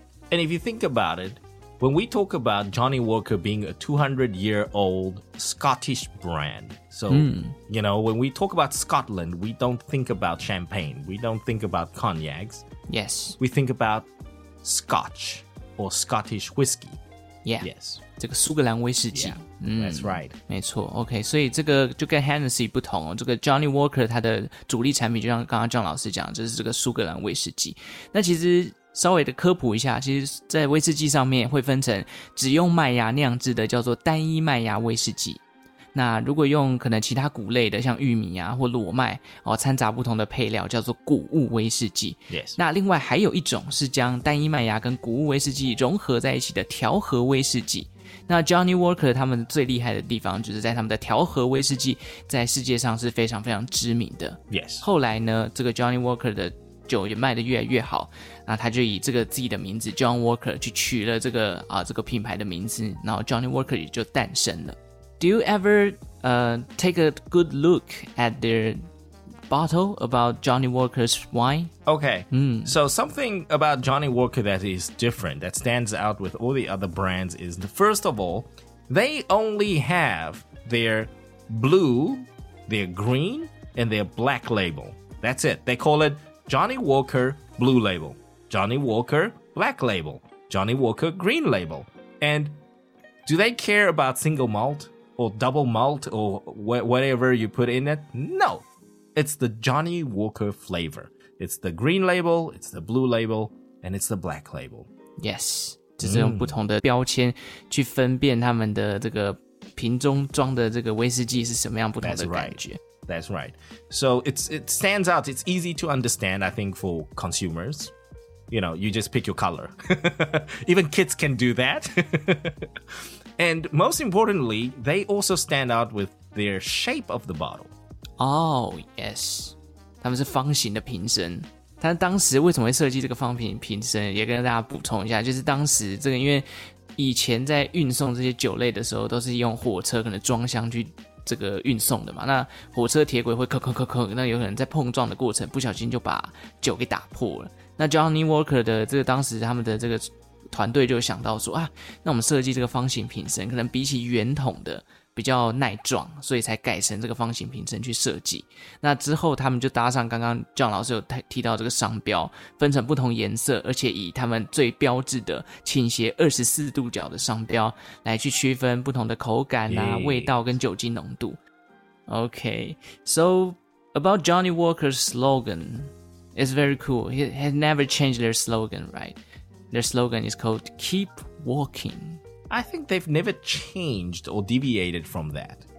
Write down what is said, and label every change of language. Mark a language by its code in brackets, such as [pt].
[en] And if you think about it, when we talk about Johnny Walker being a 200 year old Scottish brand, so,、you know, when we talk about Scotland, we don't think about champagne, we don't think about cognacs. Yes. We think about Scotch or Scottish whiskey. Yeah. Yes. [zh] 这个苏格兰威士忌 [en] yeah, That's right [zh] 没错 OK 所以这个就跟 Hennessy 不同、哦、这个 Johnny Walker 他的主力产品就像刚刚John老师讲就是这个苏格兰威士忌那其实稍微的科普一下其实在威士忌上面会分成只用麦芽酿制的叫做单一麦芽威士忌那如果用可能其他谷类的像玉米啊或裸麦、哦、掺杂不同的配料叫做谷物威士忌、 [en] yes. [zh] 那另外还有一种是将单一麦芽跟谷物威士忌融合在一起的调和威士忌那 Johnny Walker 他们最厉害的地方就是在他们的调和威士忌在世界上是非常非常知名的 [en] Yes [zh] 后来呢这个 Johnny Walker 的酒也卖得越来越好那他就以这个自己的名字 John Walker 去取了这个、啊、这个品牌的名字然后 Johnny Walker 也就诞生了 [en] Do you ever、take a good look at their bottle about Johnny Walker's wine? Okay、So something about Johnny Walker that is different that stands out with all the other brands is the, first of all they only have their blue their green and their black label that's it they call it Johnny Walker blue label Johnny Walker black label Johnny Walker green label and do they care about single malt or double malt or whatever you put in it? NoIt's the Johnny Walker flavor. It's the green label, it's the blue label, and it's the black label. [zh] Yes, 就是用不同的标签去分辨他们的这个瓶中装的这个威士忌是什么样不同的感觉。 [en] That's right. So it stands out. It's easy to understand, I think, for consumers. You know, you just pick your color. Even kids can do that. And most importantly, they also stand out with their shape of the bottle. Oh, yes. [zh] 他们是方形的瓶身。他当时为什么会设计这个方形瓶身也跟大家补充一下就是当时这个因为以前在运送这些酒类的时候都是用火车可能装箱去这个运送的嘛。那火车铁轨会咳咳咳咳那有可能在碰撞的过程不小心就把酒给打破了。那 Johnny Walker 的这个当时他们的这个团队就想到说啊那我们设计这个方形瓶身可能比起圆筒的比较耐撞所以才改成这个方形瓶身去设计那之后他们就搭上刚刚 John 老师有提到这个商标分成不同颜色而且以他们最标志的倾斜24度角的商标来去区分不同的口感啊、yeah. 味道跟酒精浓度 [en] OK So about Johnny Walker's slogan It's very cool He has never changed their slogan right Their slogan is called Keep Walking I think they've never changed or deviated from that.